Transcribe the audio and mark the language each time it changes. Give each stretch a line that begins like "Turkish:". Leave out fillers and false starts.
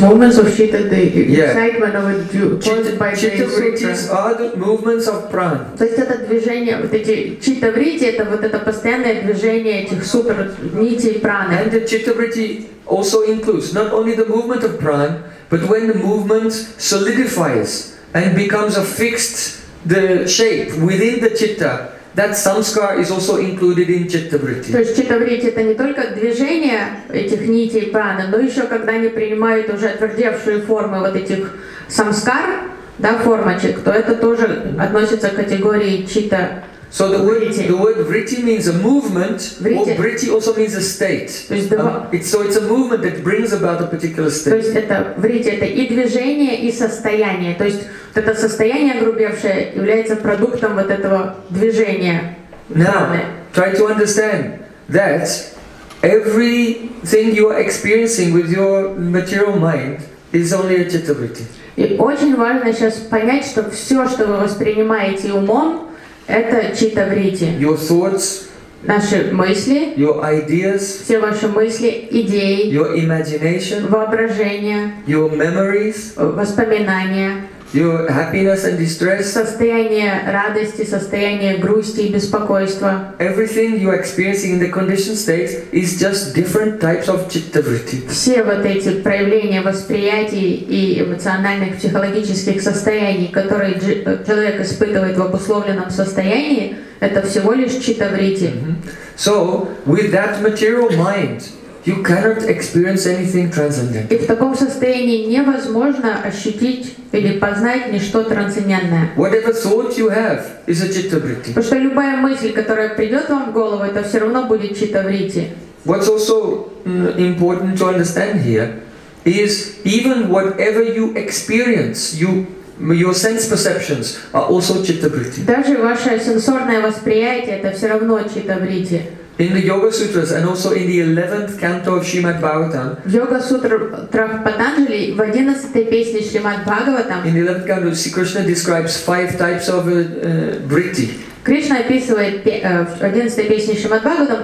English: movements of chitta, the excitement of it, caused by chittavrittis are the movements of prana.
Russian: То есть это движение, вот эти читавритти, это вот это постоянное движение этих супер нитей праны.
English: And the chittavritti also includes not only the movement of prana, but when the movement solidifies and becomes a fixed the shape within the chitta. That samskara is also included in chittavritti.
Russian: То есть читавритти это не только движение этих нитей праны, но еще когда они принимают уже отвердевшие формы вот этих самскар, да, формочек, то это тоже относится к категории читта.
English: So the word vritti means a movement. Vritti. Or vritti also means a state. It's a movement that brings about a particular state.
Russian: То есть это vritti это и движение, и состояние. То есть вот это состояние огрубевшее является продуктом вот этого движения.
English: Now, try to understand that everything you are experiencing with your material mind is only a chitta vritti.
Russian: И очень важно сейчас понять, что все, что вы воспринимаете умом, это читта-вритти.
English: Your thoughts,
Russian: наши мысли,
English: your ideas,
Russian: все ваши мысли, идеи,
English: your imagination,
Russian: воображение,
English: your memories,
Russian: воспоминания,
English: your happiness and distress,
Russian: состояние радости, состояние грусти и беспокойства.
English: Everything you are experiencing in the conditioned state is just different types of chittavritti.
Russian: Все вот эти проявления восприятий и эмоциональных, психологических состояний, которые человек испытывает в обусловленном состоянии, это всего лишь читтавритти. Mm-hmm.
English: So, with that material mind, you cannot experience anything transcendent.
Russian: И в таком состоянии невозможно ощутить или познать ничто трансцендентное.
English: Whatever thought you have is a chittavritti.
Russian: Потому что любая мысль, которая придет вам в голову, это все равно будет читтавритти.
English: What's also important to understand here is even whatever you experience, your sense perceptions are also chittavritti.
Russian: Даже ваше сенсорное восприятие это все равно читтавритти.
English: In the Yoga Sutras and also in the 11th canto of Srimad Bhagavatam.
Russian: Yoga Sutra Patanjali в 11th песне Srimad Bhagavatam.
English: In the 11th canto, Krishna describes five types of vritti.
Russian: Krishna описывает в 11th песне Srimad Bhagavatam.